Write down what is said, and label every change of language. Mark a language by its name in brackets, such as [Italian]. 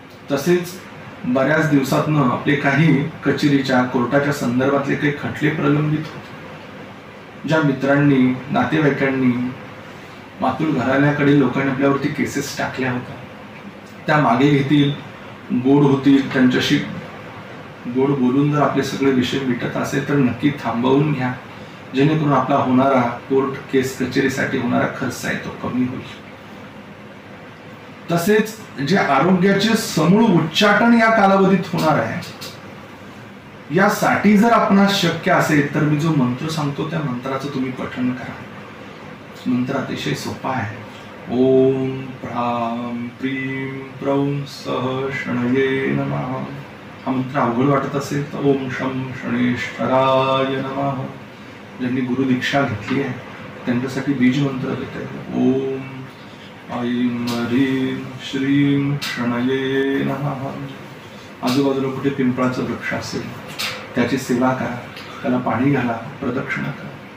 [Marathi] तसेच बऱ्याच दिवसातनं आपले काही कचेरीच्या कोर्टाच्या संदर्भातले काही खटले प्रलंबित होते, ज्या मित्रांनी नातेवाईकांनी मातृघराल्याकडे लोकांनी आपल्यावरती केसेस टाकल्या होत्या, त्या मागे घेतील, गोड होतील, त्यांच्याशी गोड बोलून जर आपले सगळे विषय मिटत असेल तर नक्की थांबवून घ्या, जेणेकरून आपला होणारा कोर्ट केस कचेरीसाठी होणारा खर्च आहे तो कमी होईल. तसेच जे आरोग्याचे समूळ उच्चाटन या कालावधीत होणार आहे, यासाठी जर आपण शक्य असेल तर मी जो मंत्र सांगतो त्या मंत्राचं तुम्ही पठण करा. मंत्र अतिशय सोपा आहे. [Sanskrit] ओम प्राम प्रीम प्रौं सह शणये नमः. [Marathi] हा मंत्र अवघड वाटत असेल तर [Sanskrit] ओम शं शणेश्वराय नमः. [Marathi] ज्यांनी गुरु दीक्षा घेतली आहे त्यांच्यासाठी बीज मंत्र देत आहे. [Sanskrit] ओम ऐं ह्रीं श्रीं शणये नमः. [Marathi] आजूबाजूला कुठे पिंपळाचं वृक्ष असेल त्याची सेवा करा, त्याला पाणी घाला, प्रदक्षिणा करा.